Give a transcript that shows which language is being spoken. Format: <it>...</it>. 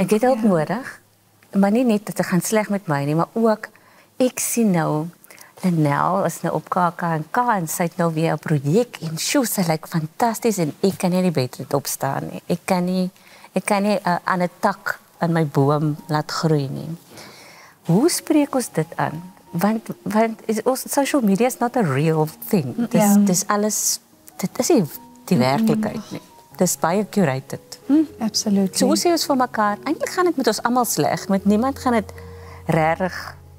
<af>Ek het hulp nodig. Maar nie net dat dit gaan sleg met my nie, maar ook, ek sien nou... Linnel is nou op KKNK en sy het nou weer 'n projek en sjoe, sy lyk fantasties en ek kan nie beter opstaan nie. Ek kan nie aan 'n tak in my boom laat groei nie. Hoe spreek ons dit aan? Want ons</af> <en>social media is not a real thing.</en> <af>Dit is nie die werklikheid nie. Dis baie curated. Absoluut. So sê ons vir mekaar, eintlik gaan dit met ons allemaal sleg, met niemand gaan dit rarig...</af>